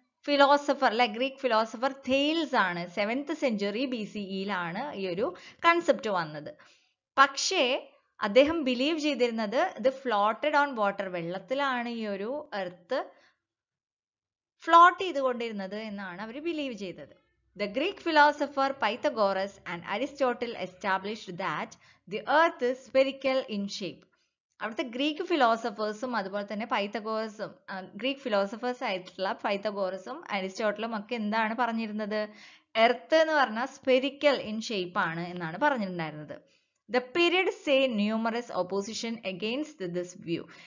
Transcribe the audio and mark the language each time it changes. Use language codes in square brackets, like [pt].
[ml] Philosopher അല്ലെ, Greek philosopher Thales ആണ്. 7th century BCEയിലാണ് ഈ ഒരു കൺസെപ്റ്റ് വന്നത്. പക്ഷേ അദ്ദേഹം ബിലീവ് ചെയ്തിരുന്നത് ഇത് [en] floated on water, [ml] വെള്ളത്തിലാണ് ഈ ഒരു എർത്ത് ഫ്ലോട്ട് ചെയ്തുകൊണ്ടിരുന്നത് എന്നാണ് അവർ ബിലീവ് ചെയ്തത്. [en] The Greek philosopher Pythagoras and Aristotle established that the earth is spherical in shape. [ml] അവിടുത്തെ ഗ്രീക്ക് ഫിലോസഫേഴ്സും അതുപോലെ തന്നെ പൈതഗോറസും ഗ്രീക്ക് ഫിലോസഫേഴ്സ് ആയിട്ടുള്ള പൈതഗോറസും അരിസ്റ്റോട്ടലും ഒക്കെ എന്താണ് പറഞ്ഞിരുന്നത്? എർത്ത് എന്ന് പറഞ്ഞാൽ [en] spherical in shape [ml] ആണ് എന്നാണ് പറഞ്ഞിട്ടുണ്ടായിരുന്നത്. [en] The period say numerous opposition against this view.